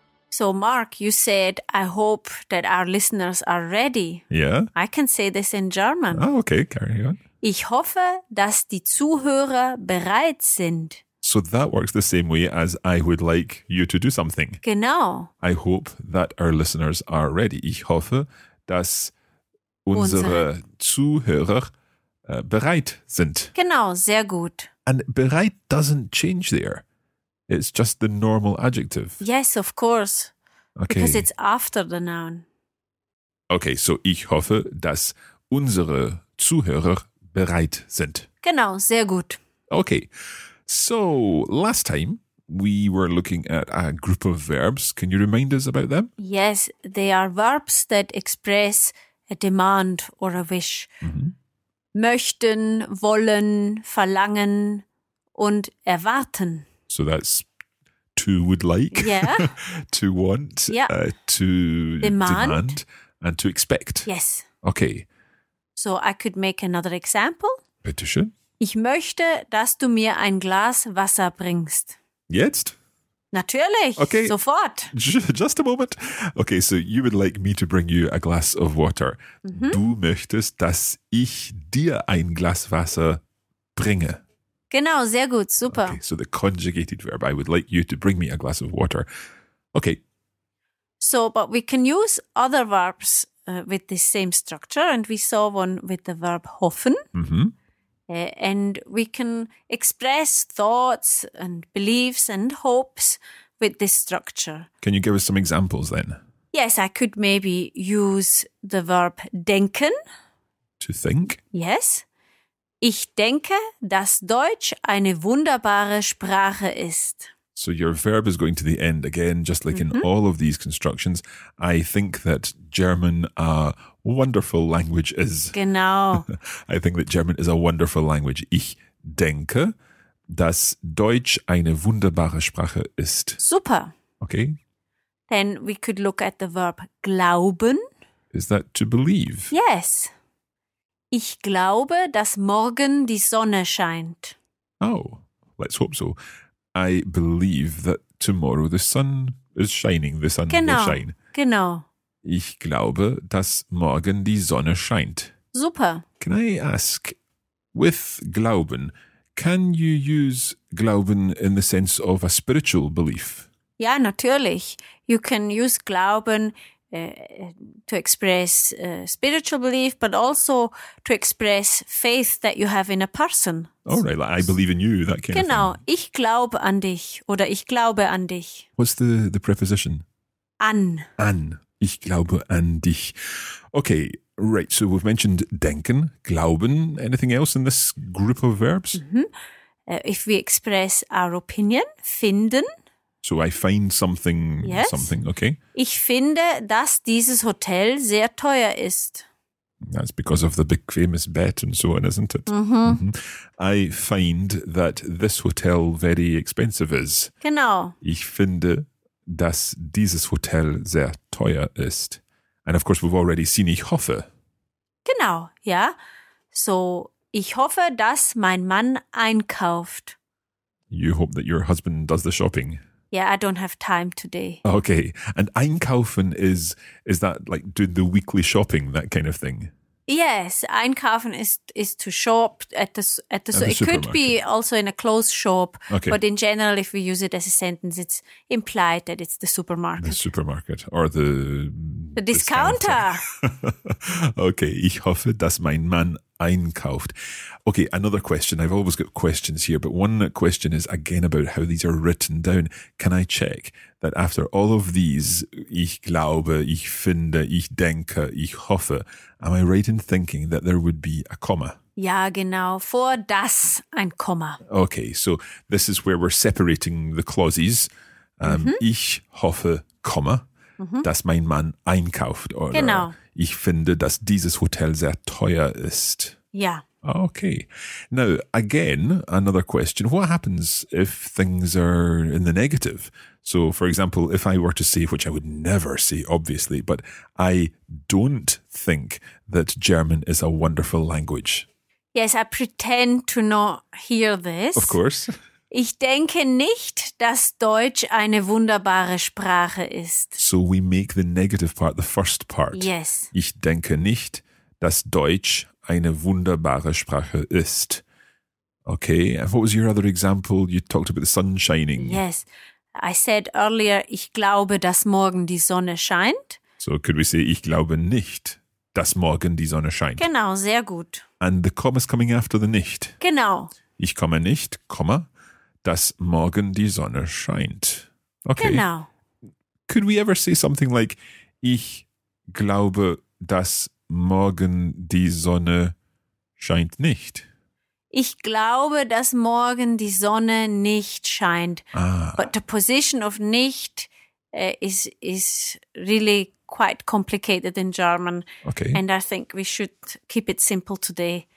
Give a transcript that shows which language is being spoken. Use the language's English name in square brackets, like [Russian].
[English] So, Mark, you said, I hope that our listeners are ready. Yeah. I can say this in German. Oh, okay, carry on. [German] Ich hoffe, dass die Zuhörer bereit sind. [English] So that works the same way as I would like you to do something. [German] Genau. [English] I hope that our listeners are ready. [German] Ich hoffe, dass unsere Zuhörer bereit sind. Genau, sehr gut. [English] And bereit doesn't change there. It's just the normal adjective. Yes, of course. Okay. Because it's after the noun. Okay, so [German] ich hoffe, dass unsere Zuhörer bereit sind. Genau, sehr gut. [English] Okay, so last time we were looking at a group of verbs. Can you remind us about them? Yes, they are verbs that express a demand or a wish. Mm-hmm. [German] Möchten, wollen, verlangen und erwarten. [English] So that's to would like, yeah. To want, yeah. To demand, and to expect. Yes. Okay. So I could make another example. [German] Bitte schön. Ich möchte, dass du mir ein Glas Wasser bringst. Jetzt? Natürlich. Okay. Sofort. [English] Just a moment. Okay, so you would like me to bring you a glass of water. Mm-hmm. [German] Du möchtest, dass ich dir ein Glas Wasser bringe. Genau, sehr gut, super. [English] Okay, so the conjugated verb, I would like you to bring me a glass of water. Okay. So, but we can use other verbs with the same structure, and we saw one with the verb hoffen. Mm-hmm. And we can express thoughts and beliefs and hopes with this structure. Can you give us some examples then? Yes, I could maybe use the verb denken. To think? Yes. [German] Ich denke, dass Deutsch eine wunderbare Sprache ist. [English] So your verb is going to the end again, just like mm-hmm. in all of these constructions. I think that German a wonderful language is. [German] Genau. [English] I think that German is a wonderful language. [German] Ich denke, dass Deutsch eine wunderbare Sprache ist. Super. [English] Okay. Then we could look at the verb glauben. Is that to believe? Yes. [German] Ich glaube, dass morgen die Sonne scheint. [English] Oh, let's hope so. I believe that tomorrow the sun is shining. The sun [German] genau, [English] will shine. [German] Genau. Ich glaube, dass morgen die Sonne scheint. Super. [English] Can I ask, with glauben, can you use glauben in the sense of a spiritual belief? [German] Ja, natürlich. [English] You can use glauben to express spiritual belief, but also to express faith that you have in a person. Oh, right, like I believe in you, that kind [German] genau. [English] Of thing. [German] Genau, ich glaube an dich oder ich glaube an dich. [English] What's the preposition? [German] An. An. Ich glaube an dich. [English] Okay, right. So we've mentioned denken, glauben. Anything else in this group of verbs? Mm-hmm. If we express our opinion, finden. So I find something, yes. Something, okay. [German] Ich finde, dass dieses Hotel sehr teuer ist. [English] That's because of the big famous bet and so on, isn't it? Mm-hmm. Mm-hmm. I find that this hotel very expensive is. [German] Genau. Ich finde, dass dieses Hotel sehr teuer ist. [English] And of course, we've already seen, [German] ich hoffe. Genau, ja. [English] So, [German] ich hoffe, dass mein Mann einkauft. [English] You hope that your husband does the shopping. Yeah, I don't have time today. Okay. And einkaufen is that like doing the weekly shopping, that kind of thing? Yes, einkaufen is to shop at the supermarket. It could be also in a clothes shop. Okay. But in general, if we use it as a sentence, it's implied that it's the supermarket. The supermarket or the discounter. Okay, [German] ich hoffe, dass mein Mann einkauft. [English] Okay, another question. I've always got questions here, but one question is again about how these are written down. Can I check that after all of these, [German] ich glaube, ich finde, ich denke, ich hoffe, [English] am I right in thinking that there would be a comma? [German] Ja, genau. Vor das ein Komma. [English] Okay, so this is where we're separating the clauses. [German] Ich hoffe, Komma, dass mein Mann einkauft. Oder genau. Ich finde, dass dieses Hotel sehr teuer ist. Ja. [English] Okay. Now, again, another question. What happens if things are in the negative? So, for example, if I were to say, which I would never say, obviously, but I don't think that German is a wonderful language. Yes, I pretend to not hear this. Of course. [German] Ich denke nicht, dass Deutsch eine wunderbare Sprache ist. [English] So we make the negative part the first part. Yes. [German] Ich denke nicht, dass Deutsch eine wunderbare Sprache ist. [English] Okay, and what was your other example? You talked about the sun shining. Yes. I said earlier, [German] ich glaube, dass morgen die Sonne scheint. [English] So could we say, [German] ich glaube nicht, dass morgen die Sonne scheint. Genau, sehr gut. [English] And the comma is coming after the nicht. [German] Genau. Ich komme nicht, Komma. Dass morgen die Sonne scheint. [English] Okay. [German] Genau. [English] Could we ever say something like, [German] ich glaube, dass morgen die Sonne scheint nicht? Ich glaube, dass morgen die Sonne nicht scheint. Ah. [English] But the position of nicht is really quite complicated in German. Okay. And I think we should keep it simple today.